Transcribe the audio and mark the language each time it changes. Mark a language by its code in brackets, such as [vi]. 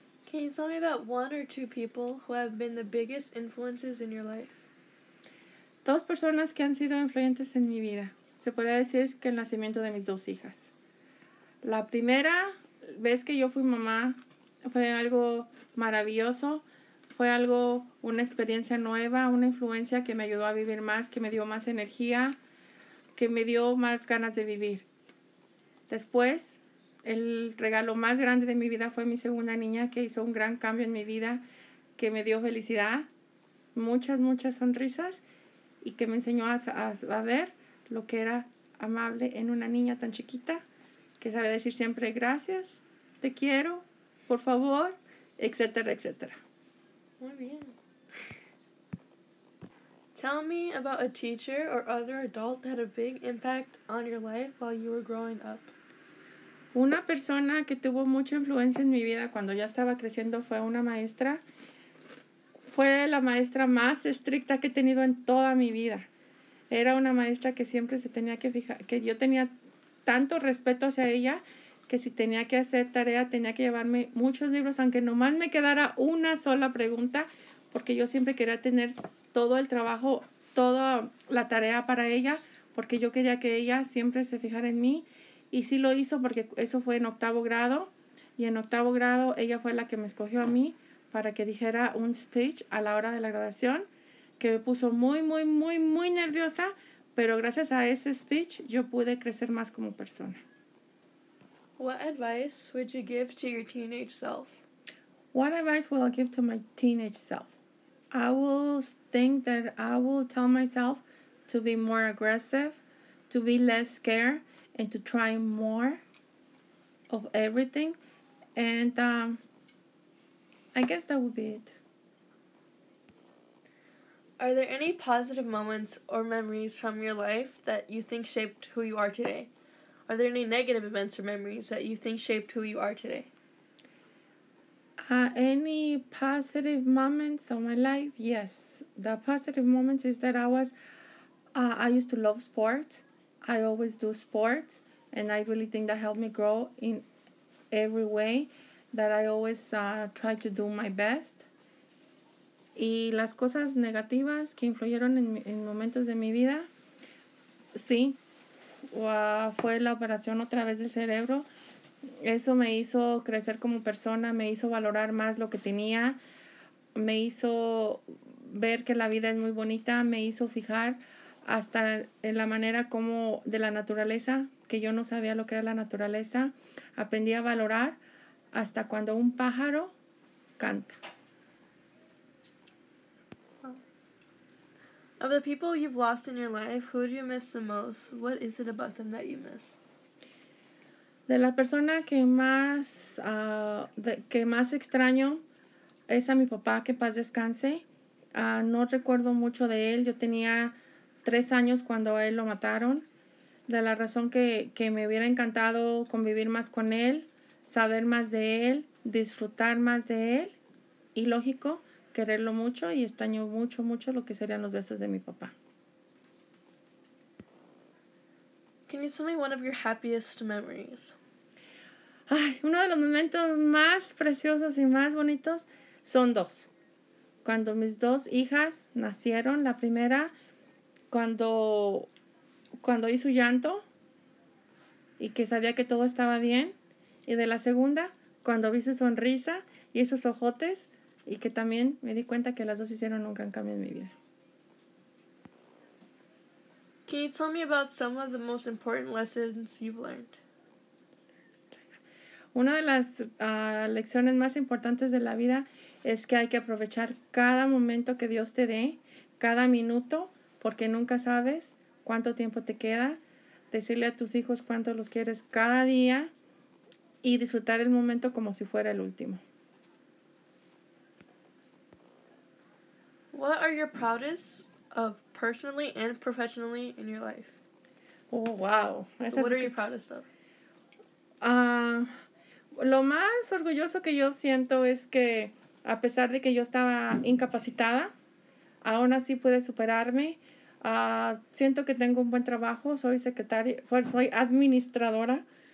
[en] Can you tell me about one or two people who have been the biggest influences in your life? [es] Dos personas que han sido influyentes en mi vida. Se podría decir que el nacimiento de mis dos hijas. La primera vez que yo fui mamá, fue algo maravilloso, fue algo, una experiencia nueva, una influencia que me ayudó a vivir más, que me dio más energía, que me dio más ganas de vivir. Después, el regalo más grande de mi vida fue mi segunda niña, que hizo un gran cambio en mi vida, que me dio felicidad, muchas sonrisas, y que me enseñó a ver lo que era amable en una niña tan chiquita, que sabe decir siempre gracias, te quiero, por favor, etcétera, etcétera. Muy bien. [en] Tell me about a teacher or other adult that had a big impact on your life while you were growing up. [es] Una persona que tuvo mucha influencia en mi vida cuando ya estaba creciendo fue una maestra. Fue la maestra más estricta que he tenido en toda mi vida. Era una maestra que siempre se tenía que fijar, que yo tenía tanto respeto hacia ella, que si tenía que hacer tarea, tenía que llevarme muchos libros, aunque nomás me quedara una sola pregunta, porque yo siempre quería tener todo el trabajo, toda la tarea para ella, porque yo quería que ella siempre se fijara en mí. Y sí lo hizo, porque eso fue en octavo grado, y en octavo grado ella fue la que me escogió a mí para que dijera un speech a la hora de la graduación, que me puso muy, muy, muy, muy nerviosa, pero gracias a ese speech yo pude crecer más como persona. [en] What advice would you give to your teenage self? What advice will I give to my teenage self? I will think that I will tell myself to be more aggressive, to be less scared, and to try more of everything. And I guess that would be it. Are there any positive moments or memories from your life that you think shaped who you are today? Are there any negative events or memories that you think shaped who you are today? Any positive moments of my life? Yes. The positive moments is that I used to love sports. I always do sports. And I really think that helped me grow in every way, that I always try to do my best. [es] Y las cosas negativas que influyeron en momentos de mi vida, sí, fue la operación otra vez del cerebro. Eso me hizo crecer como persona, me hizo valorar más lo que tenía, me hizo ver que la vida es muy bonita, me hizo fijar hasta en la manera como de la naturaleza, que yo no sabía lo que era la naturaleza. Aprendí a valorar hasta cuando un pájaro canta. [en] Of the people you've lost in your life, who do you miss the most? What is it about them that you miss? [es] De la persona que más extraño es a mi papá, que paz descanse. No recuerdo mucho de él. Yo tenía 3 años cuando a él lo mataron. De la razón que me hubiera encantado convivir más con él, saber más de él, disfrutar más de él, y lógico, quererlo mucho, y extraño mucho, mucho lo que serían los besos de mi papá. [en] Can you tell me one of your happiest memories? [es] Ay, uno de los momentos más preciosos y más bonitos son dos. Cuando mis dos hijas nacieron, la primera, cuando hizo llanto y que sabía que todo estaba bien, y de la segunda, cuando vi su sonrisa y esos ojotes, y que también me di cuenta que las dos hicieron un gran cambio en mi vida. [en] Can you tell me about some of the most important lessons you've learned? [es] Una de las lecciones más importantes de la vida es que hay que aprovechar cada momento que Dios te dé, cada minuto, porque nunca sabes cuánto tiempo te queda, decirle a tus hijos cuánto los quieres cada día y disfrutar el momento como si fuera el último. [en] What are your proudest of personally and professionally in your life? Oh, wow. So what are you proudest of? [es] Lo más orgulloso que yo siento es que, a pesar de que yo estaba incapacitada, aún así pude superarme. Siento que tengo un buen trabajo, soy administradora.